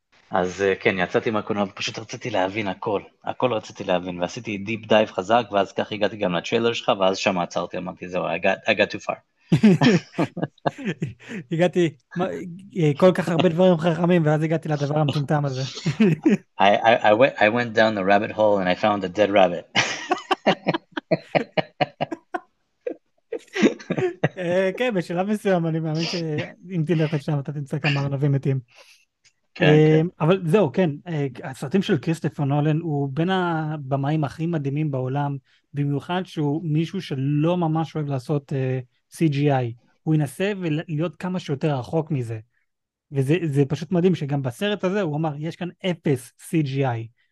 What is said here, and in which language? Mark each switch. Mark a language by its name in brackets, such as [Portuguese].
[Hebrew] אז כן, יצאתי מהקולנוע, פשוט רציתי להבין הכל, הכל רציתי להבין, ועשיתי דיפ דייב חזק, ואז כך הגעתי גם לצ'יילר שלך, ואז שם עצרתי, אמרתי, זהו, [English] I got too far. [Hebrew] הגעתי כל כך הרבה דברים חכמים, ואז הגעתי לדבר המטומטם הזה. [English] I went down the rabbit hole and I found a dead rabbit. [Hebrew] כן, בשלב מסוים אני מאמין שאם תלך לשם אתה תמצא כמה ארנבים מתים. כן. אבל זהו, כן, הסרטים של כריסטופר נולן הוא בין הבמאים הכי מדהימים בעולם, במיוחד שהוא מישהו שלא ממש אוהב לעשות CGI, הוא ינסה להיות כמה שיותר רחוק מזה, וזה פשוט מדהים שגם בסרט הזה הוא אמר יש כאן אפס CGI,